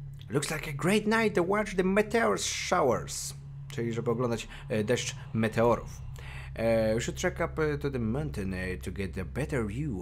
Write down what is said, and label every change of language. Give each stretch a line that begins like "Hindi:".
English: Looks like a great night to watch the meteor showers.
Polish: Czyli żeby oglądać deszcz meteorów.
English: We should trek up to the mountain to get a better view.